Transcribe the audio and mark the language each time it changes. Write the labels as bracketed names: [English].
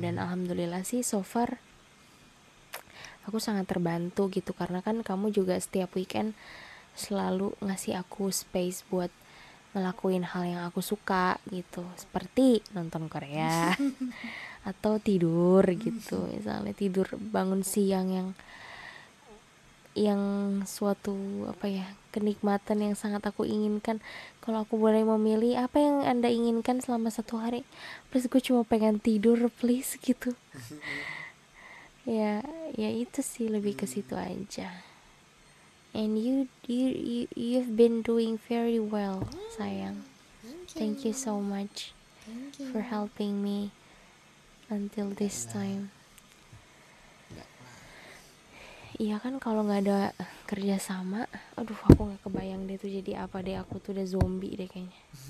[Indonesian] Dan alhamdulillah sih [English] so far [Indonesian] aku sangat terbantu gitu, karena kan kamu juga setiap weekend selalu ngasih aku space buat ngelakuin hal yang aku suka gitu, seperti nonton Korea atau tidur gitu, misalnya tidur bangun siang yang suatu apa ya, kenikmatan yang sangat aku inginkan. Kalau aku boleh memilih apa yang Anda inginkan selama satu hari, please gue cuma pengen tidur please gitu. ya itu sih lebih ke situ aja. [English] And you've been doing very well, sayang. Thank you so much for helping me until this time. [Indonesian] Iya kan, kalau nggak ada kerjasama, aduh aku nggak kebayang deh tuh jadi apa deh, aku tuh udah zombie deh kayaknya.